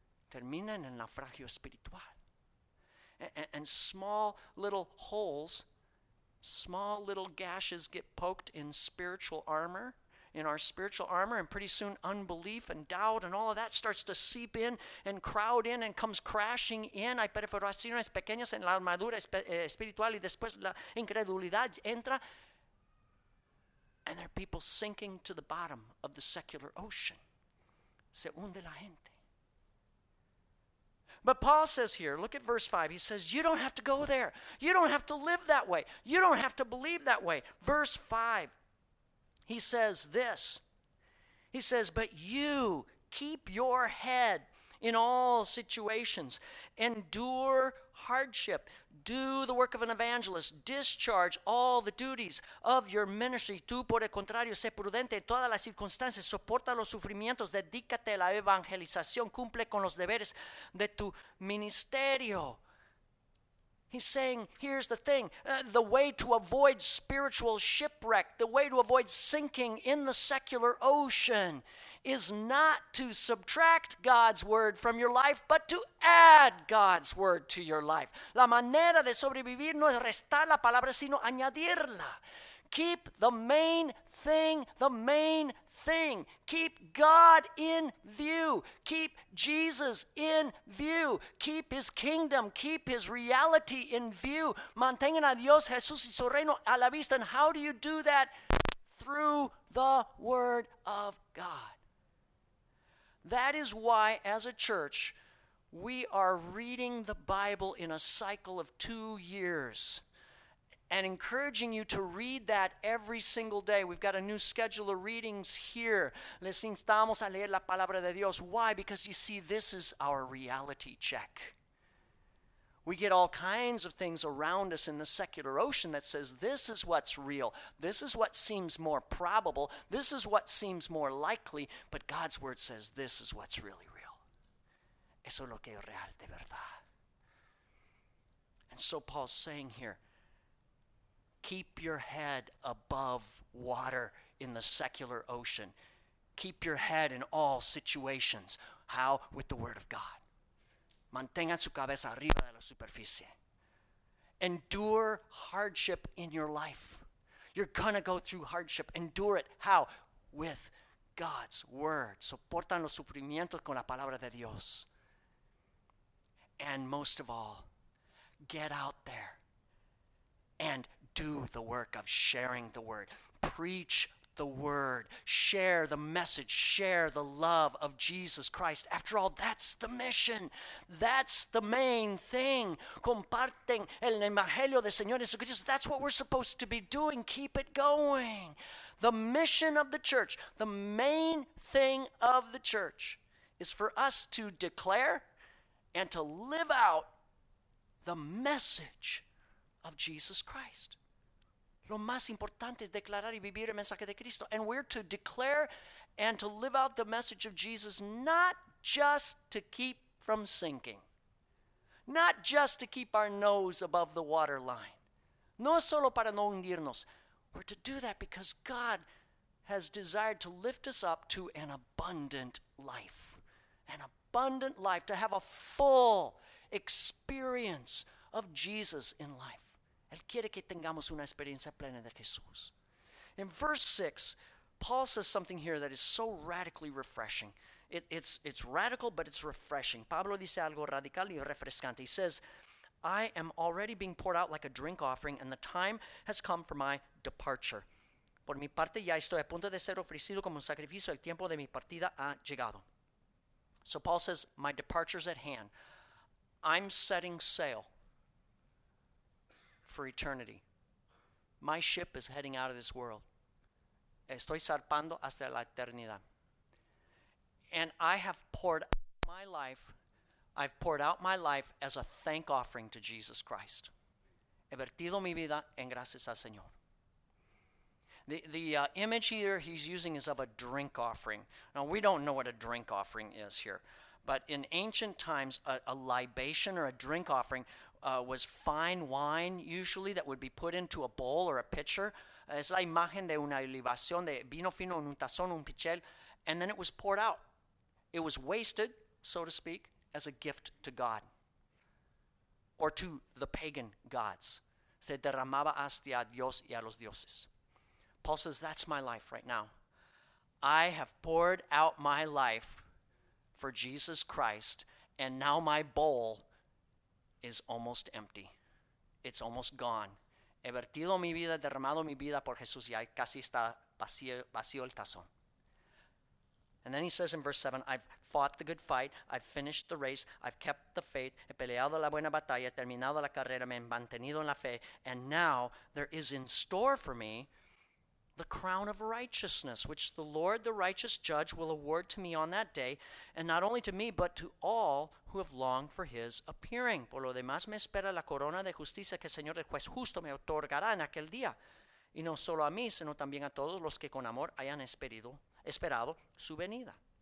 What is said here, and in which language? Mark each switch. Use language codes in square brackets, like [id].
[es] Termina en naufragio espiritual. [en] And small little holes, small little gashes get poked in spiritual armor, in our spiritual armor, and pretty soon unbelief and doubt and all of that starts to seep in and crowd in and comes crashing in. [es] Hay perforaciones pequeñas en la armadura espiritual y después la incredulidad entra. [en] And there are people sinking to the bottom of the secular ocean. [es] Se hunde la gente. [en] But Paul says here, look at verse 5. He says, you don't have to go there. You don't have to live that way. You don't have to believe that way. Verse 5, he says this. He says, but you keep your head in all situations. Endure hardship. Do the work of an evangelist. Discharge all the duties of your ministry. [es] Tú, por el contrario, sé prudente en todas las circunstancias. Soporta los sufrimientos. Dedícate a la evangelización. Cumple con los deberes de tu ministerio. [en] He's saying, here's the thing, the way to avoid spiritual shipwreck, the way to avoid sinking in the secular ocean is not to subtract God's word from your life, but to add God's word to your life. [es] La manera de sobrevivir no es restar la palabra, sino añadirla. [en] Keep the main thing, the main thing. Keep God in view. Keep Jesus in view. Keep his kingdom. Keep his reality in view. [es] Mantengan a Dios, Jesús y su reino a la vista. [en] And how do you do that? Through the word of God. That is why, as a church, we are reading the Bible in a cycle of 2 years. And encouraging you to read that every single day. We've got a new schedule of readings here. [es] Les instamos a leer la palabra de Dios. [en] Why? Because you see, this is our reality check. We get all kinds of things around us in the secular ocean that says this is what's real. This is what seems more probable. This is what seems more likely. But God's word says this is what's really real. [es] Eso es lo que es real de verdad. [en] And so Paul's saying here, keep your head above water in the secular ocean. Keep your head in all situations. How? With the word of God. [es] Mantengan su cabeza arriba de la superficie. [en] Endure hardship in your life. You're going to go through hardship. Endure it. How? With God's word. [es] Soportan los sufrimientos con la palabra de Dios. [en] And most of all, get out there and do the work of sharing the word. Preach the word. Share the message. Share the love of Jesus Christ. After all, that's the mission. That's the main thing. [es] Comparten el evangelio del Señor Jesucristo. [en] That's what we're supposed to be doing. Keep it going. The mission of the church, the main thing of the church, is for us to declare and to live out the message of Jesus Christ. [es] Lo más importante es declarar y vivir el mensaje de Cristo. [en] And we're to declare and to live out the message of Jesus, not just to keep from sinking. Not just to keep our nose above the waterline. [es] No solo para no hundirnos. [en] We're to do that because God has desired to lift us up to an abundant life. An abundant life, to have a full experience of Jesus in life. [es] Él quiere que tengamos una experiencia plena de Jesús. [en] In verse 6, Paul says something here that is so radically refreshing. It's radical, but it's refreshing. [es] Pablo dice algo radical y refrescante. [en] He says, I am already being poured out like a drink offering, and the time has come for my departure. [es] Por mi parte, ya estoy a punto de ser ofrecido como un sacrificio. El tiempo de mi partida ha llegado. [en] So Paul says, my departure's at hand. I'm setting sail for eternity. My ship is heading out of this world. [es] Estoy zarpando hacia la eternidad. [en] And I have poured out my life. I've poured out my life as a thank offering to Jesus Christ. [es] He vertido mi vida en gracias al Señor. [en] The image here he's using is of a drink offering. Now, we don't know what a drink offering is here. But in ancient times, a libation or a drink offering was fine wine, usually, that would be put into a bowl or a pitcher. [es] Es la imagen de una libación, de vino fino en un tazón, un pichel. [en] And then it was poured out. It was wasted, so to speak, as a gift to God. Or to the pagan gods. [es] Se derramaba hacia Dios y a los dioses. [en] Paul says, that's my life right now. I have poured out my life for Jesus Christ, and now my bowl is almost empty. It's almost gone. [es] He vertido mi vida, derramado mi vida por Jesús, y casi está vacío el tazón. [en] And then he says in verse 7, I've fought the good fight, I've finished the race, I've kept the faith, [es] he peleado la buena batalla, he terminado la carrera, me he mantenido en la fe, [en] and now there is in store for me the crown of righteousness, which the Lord, the righteous judge, will award to me on that day, and not only to me, but to all who have longed for his appearing. [es] Por lo demás me espera la corona de justicia que el Señor, el juez justo, me otorgará en aquel día. Y no solo a mí, sino también a todos los que con amor hayan esperado su venida.